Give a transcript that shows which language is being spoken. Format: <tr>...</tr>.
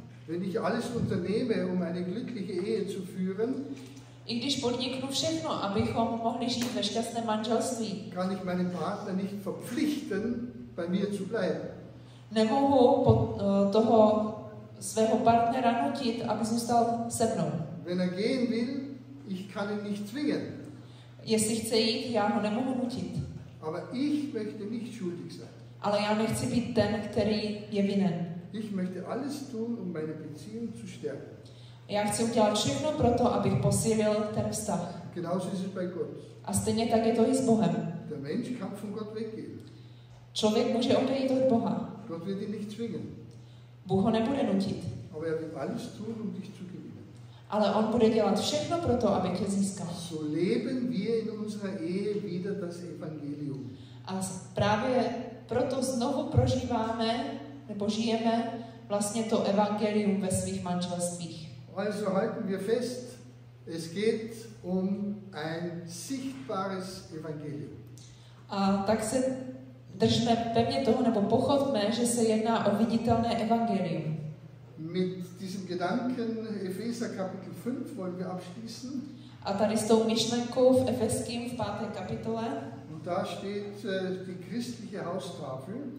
<de>Wenn ich alles unternehme, um eine glückliche Ehe zu führen,</de> <cs>i když podniknu všechno, abychom mohli žít ve šťastném manželství,</cs> <de>kann ich meinen Partner nicht verpflichten, bei mir zu bleiben.</de> <cs>Nemohu toho svého partnera nutit, aby zůstal se mnou.</cs> <de>Wenn er gehen will, ich kann ihn nicht zwingen.</de> <cs>Jestli chce jít, já ho nemohu nutit.</cs> <de>Aber ich möchte nicht schuldig sein.</de> <cs>Ale já nechci být ten, který je vinen.</cs> <de>Ich möchte alles tun, um meine Beziehung zu stärken.</de> <cs>Já chci udělat všechno pro to, abych posílil ten vztah.</cs> <de>Genauso ist es bei Gott.</de> <cs>A stejně tak je to i s Bohem.</cs> <de>Der Mensch kann von Gott weggehen.</de> <cs>Člověk může odejít od Boha.</cs> <de>Gott wird ihn nicht zwingen.</de> <cs>Bůh ho nebude nutit.</cs> <de>Aber er wird alles tun, um dich zu gewinnen.</de> <cs>Ale on bude dělat všechno pro to, aby tě získal.</cs> <de>So leben wir in unserer Ehe wieder das Evangelium.</de> <cs>A právě proto znovu prožíváme, nebo žijeme vlastně to evangelium ve svých manželstvích.</cs> <de>Also halten wir fest, es geht um ein sichtbares Evangelium.</de> <cs>A tak se držme pevně toho, nebo pochopme, že se jedná o viditelné evangelium.</cs> <de>Mit diesem Gedanken Epheser Kapitel 5 wollen wir abschließen.</de> <cs>A tady s tou myšlenkou v Efeským v 5. kapitole.</cs> <de>Und da steht die christliche Haustafel.</de>